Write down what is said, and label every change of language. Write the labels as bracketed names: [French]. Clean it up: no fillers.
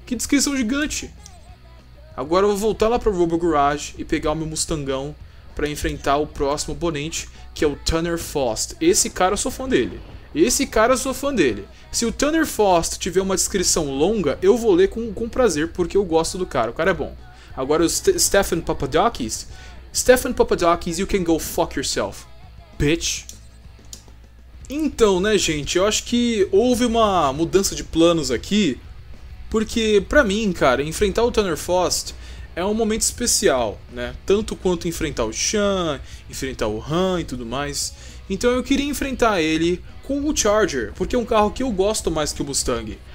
[Portuguese] Que descrição gigante. Agora eu vou voltar lá pro Robo Garage e pegar o meu Mustangão pra enfrentar o próximo oponente, que é o Tanner Faust. Esse cara eu sou fã dele. Esse cara eu sou fã dele. Se o Tanner Faust tiver uma descrição longa, eu vou ler com prazer, porque eu gosto do cara. O cara é bom. Agora o Stephen Papadakis. [English] Stephen Papadakis, you can go fuck yourself, bitch. [Portuguese] Então, né, gente? Eu acho que houve uma mudança de planos aqui. Porque, pra mim, cara, enfrentar o Tanner Faust é um momento especial, né? Tanto quanto enfrentar o Chan, enfrentar o Han e tudo mais. Então eu queria enfrentar ele com o Charger, porque é um carro que eu gosto mais que o Mustang.